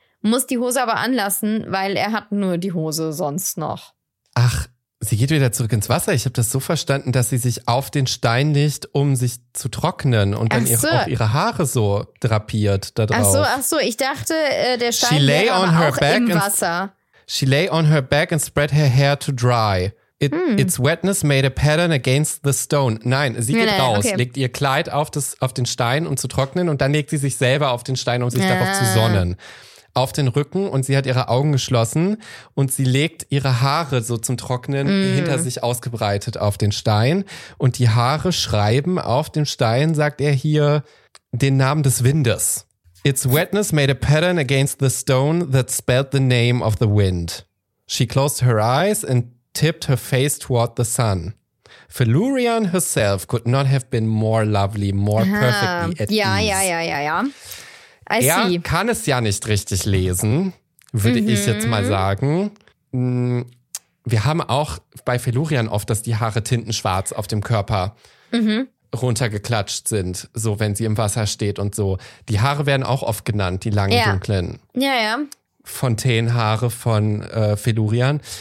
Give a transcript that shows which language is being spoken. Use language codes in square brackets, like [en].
[de] Muss die Hose aber anlassen, weil er hat nur die Hose sonst noch. Ach, sie geht wieder zurück ins Wasser. Ich habe das so verstanden, dass sie sich auf den Stein legt, um sich zu trocknen und dann ihre Haare so drapiert da drauf. Ach so, ich dachte, der Stein lag auch im Wasser. [en] She lay on her back and spread her hair to dry. Its wetness made a pattern against the stone. [de] Nein, sie geht raus, legt ihr Kleid auf den Stein, um zu trocknen und dann legt sie sich selber auf den Stein, um sich darauf zu sonnen. Auf den Rücken und sie hat ihre Augen geschlossen und sie legt ihre Haare so zum Trocknen hinter sich ausgebreitet auf den Stein und die Haare schreiben auf dem Stein, sagt er hier, den Namen des Windes. [en] Its wetness made a pattern against the stone that spelled the name of the wind. She closed her eyes and tipped her face toward the sun. Felurian herself could not have been more lovely, more perfectly at ease. [de] Ja. Er kann es ja nicht richtig lesen, würde ich jetzt mal sagen. Wir haben auch bei Felurian oft, dass die Haare tintenschwarz auf dem Körper runtergeklatscht sind, so wenn sie im Wasser steht und so. Die Haare werden auch oft genannt, die langen, dunklen Fontänenhaare von Felurian.